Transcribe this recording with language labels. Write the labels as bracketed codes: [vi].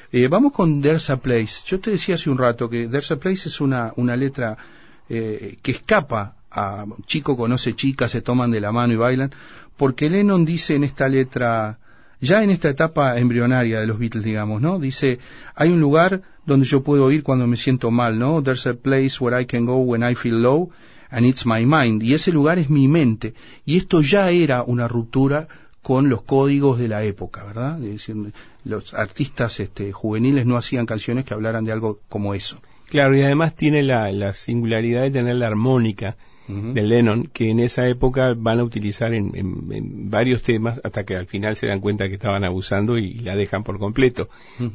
[es] Vamos con There's a Place. Yo te decía hace un rato que There's a Place es una letra que escapa a chico conoce chica, se toman de la mano y bailan, porque Lennon dice en esta letra, ya en esta etapa embrionaria de los Beatles, digamos, ¿no? Dice, hay un lugar donde yo puedo ir cuando me siento mal, ¿no? [en] There's a place where I can go when I feel low, and it's my mind. [es] Y ese lugar es mi mente. Y esto ya era una ruptura con los códigos de la época, ¿verdad? Es decir, los artistas juveniles no hacían canciones que hablaran de algo como eso. Claro, y además tiene la singularidad de tener la armónica de Lennon, que en esa época van a utilizar en varios temas, hasta que al final se dan cuenta que estaban abusando y la dejan por completo. Uh-huh.